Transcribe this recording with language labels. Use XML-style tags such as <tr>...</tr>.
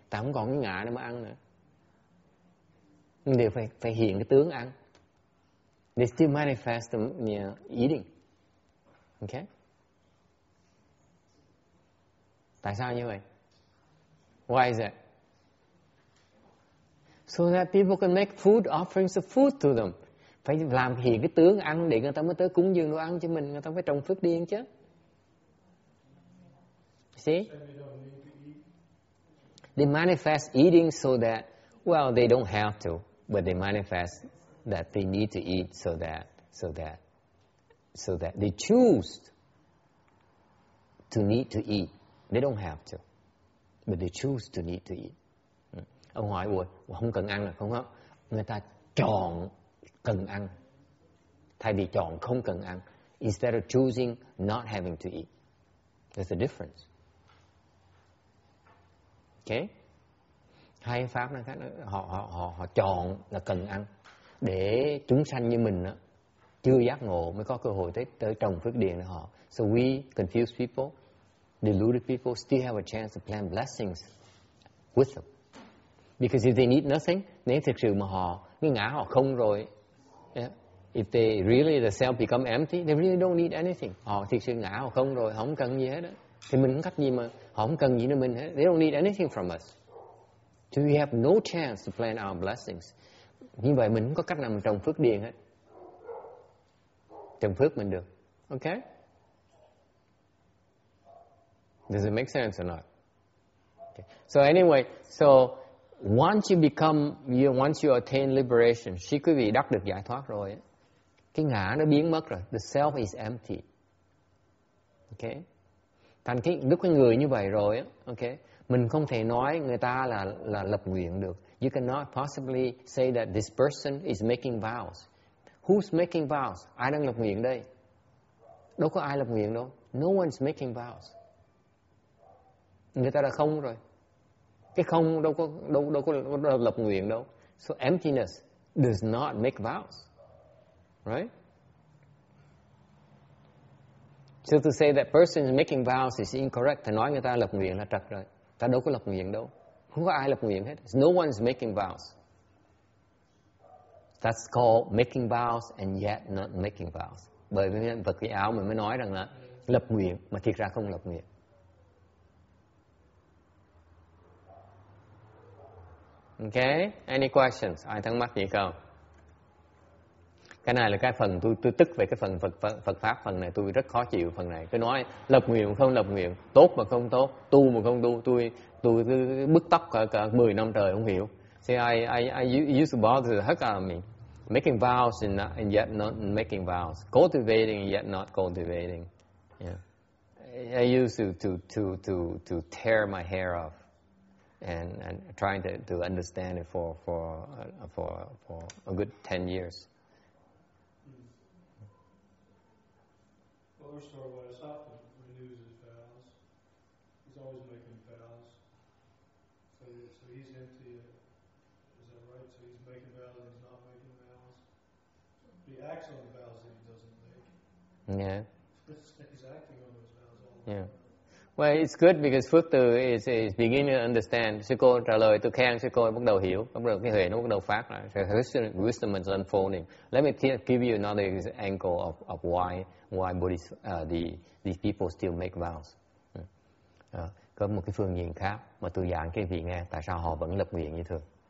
<vi>Ta không còn cái ngã để mà ăn nữa. Nhưng đều phải hiện cái tướng ăn.</vi> <en>They still manifest the eating. Okay?</en> <vi>Tại sao như vậy?</vi> <en>Why is that? So that people can make food offerings of food to them.</en> <vi>Phải làm hiện cái tướng ăn để người ta mới tới cúng dường đồ ăn cho mình. Người ta phải trồng phước điên chứ.</vi> <en>See? They manifest eating so that, well, they don't have to, but they manifest that they need to eat so that they choose to need to eat. They don't have to, but they choose to need to eat.</en> <vi>Ông hỏi, ủa, không cần ăn là không hết. Người ta chọn cần ăn, thay vì chọn không cần ăn,</vi> <en>instead of choosing not having to eat. There's a difference.</en> <vi>Okay. Hai pháp này khác, họ chọn là cần ăn để chúng sanh như mình đó, chưa giác ngộ mới có cơ hội tới trồng phước điền họ.</vi> <en>So we confused people, deluded people still have a chance to plant blessings with them. Because if they need nothing,</en> <vi>nếu thực sự mà họ cái ngã họ không rồi,</vi> <en>yeah, if they really the self become empty, they really don't need anything.</en> <vi>Họ thực sự ngã họ không rồi, họ không cần gì hết đó. Thì mình không cách gì mà họ không cần gì nữa mình hết.</vi> <en>They don't need anything from us. So we have no chance to plant our blessings.</en> <vi>Như vậy mình không có cách nào mình trồng phước điền hết. Trồng phước mình được. Okay?</vi> <en>Does it make sense or not? Okay. So anyway, so once you become, once you attain liberation,</en> <vi>khi quý vị đắc được giải thoát rồi, cái ngã nó biến mất rồi.</vi> <en>The self is empty. Okay?</en> <vi>Thành cái lúc cái người như vậy rồi, okay, mình không thể nói người ta là lập nguyện được.</vi> <en>You cannot possibly say that this person is making vows. Who's making vows?</en> <vi>Ai đang lập nguyện đây? Đâu có ai lập nguyện đâu.</vi> <en>No one's making vows.</en> <vi>Người ta là không rồi. Cái không đâu có lập nguyện đâu.</vi> <en>So emptiness does not make vows. Right? So to say that person is making vows is incorrect.</en> <vi>Thì nói người ta lập nguyện là trật rồi. Ta đâu có lập nguyện đâu. Không có ai lập nguyện hết.</vi> <en>No one is making vows. That's called making vows and yet not making vows.</en> <vi>Bởi vì vật cái áo mình mới nói rằng là lập nguyện mà thiệt ra không lập nguyện.</vi> <en>Okay, any questions?</en> <vi>Ai thắc mắc gì không? Cái này là cái phần tôi tức về cái phần Phật pháp, phần này tôi rất khó chịu phần này. Cứ nói lập nguyện không lập nguyện, tốt mà không tốt, tu mà không tu, tôi cứ bứt tóc cả 10 năm trời không hiểu.</vi> <en>See, I used to bother the heck out of me. Making vows and yet not making vows. Cultivating and yet not cultivating. Yeah. I used to tear my hair off and trying to understand it for a good 10 years. Other story what has happened when he loses vows. He's always making vows. So he's into it. Is that right? So he's making vows and he's not making vows. He acts on the vows that he doesn't make. Yeah. He's acting on those vows all the time. Yeah. Well, it's good because Phước Từ is beginning to understand.</en> <vi>Sư cô trả lời, tôi khen sư cô, bắt đầu hiểu, bắt đầu cái huệ nó bắt đầu phát ra.</vi> <en>So wisdom is unfolding. Let me give you another angle of why Buddhist these people still make vows.</en> <vi>Có một cái phương diện khác mà tôi giảng cái vị nghe, tại sao họ vẫn lập nguyện như thường?</vi>